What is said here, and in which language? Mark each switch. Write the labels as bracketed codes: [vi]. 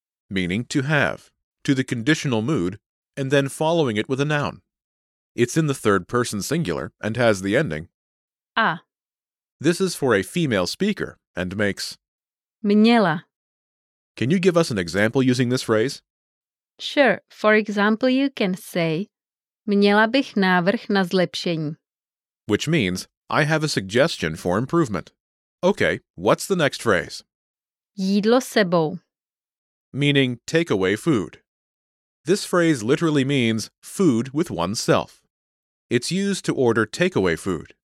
[en] meaning to have, to the conditional mood, and then following it with a noun. It's in the third person singular and has the ending a. This is for a female speaker and makes [cs] měla. [en] Can you give us an example using this phrase? Sure. For example, you can say [cs] měla bych návrh na zlepšení. [en] Which means, I have a suggestion for improvement. Okay, what's the next phrase? [cs] Jídlo sebou. [en] Meaning, take away food. This phrase literally means food with oneself. It's used to order takeaway food.